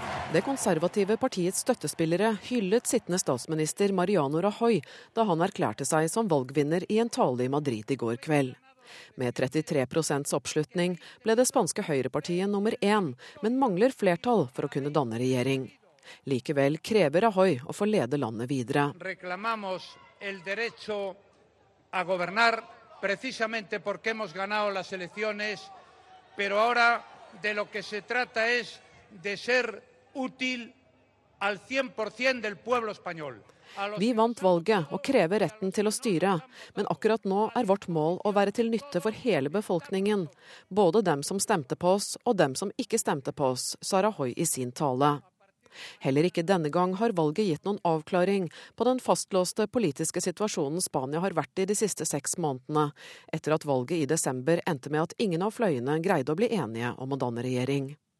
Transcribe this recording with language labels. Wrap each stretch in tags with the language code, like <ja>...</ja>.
<no>Det konservative partiets støttespillere hyllet sittende statsminister Mariano Rajoy da han erklærte seg som valgvinner i en tale i Madrid i går kveld. Med 33% oppslutning ble det spanske høyrepartiet nummer én, men mangler flertall for å kunne danne regjering. Likevel krever Rajoy å få lede landet videre.</no> <es>Reklamamos el derecho a gobernar precisamente porque hemos ganado las elecciones, pero ahora de lo que se trata es de ser útil al 100% del pueblo español.</es> <no>Vi vant valget og krever retten til å styre, men akkurat nå er vårt mål å være til nytte for hele befolkningen, både dem som stemte på oss og dem som ikke stemte på oss, sa Rajoy i sin tale. Heller ikke denne gang har valget gitt noen avklaring på den fastlåste politiske situasjonen Spania har vært i de siste 6 månedene, etter at valget i desember endte med at ingen av fløyene greide å bli enige om å danne regjering.</no>